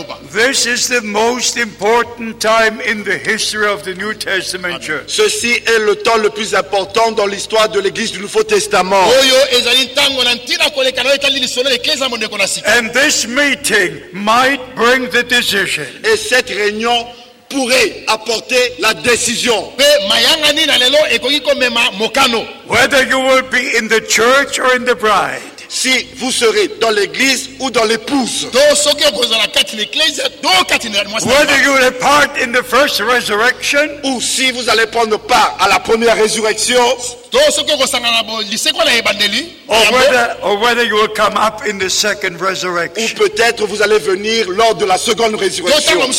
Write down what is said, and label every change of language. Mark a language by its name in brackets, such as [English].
[English] this is the most important time in the history of the New Testament church. [French] Ceci est le temps le plus important dans l'histoire de l'Église du Nouveau Testament. [English] And this meeting might bring the decision. [French] Et cette réunion pourrait apporter la décision. [English] Whether you will be in the church or in the bride. [French] Si vous serez dans l'église ou dans l'épouse. [English] Whether you will part in the first resurrection. [French] Ou si vous allez prendre part à la première résurrection. [English] Or whether you will come up in the second resurrection. [French] Ou peut-être vous allez venir lors de la seconde résurrection.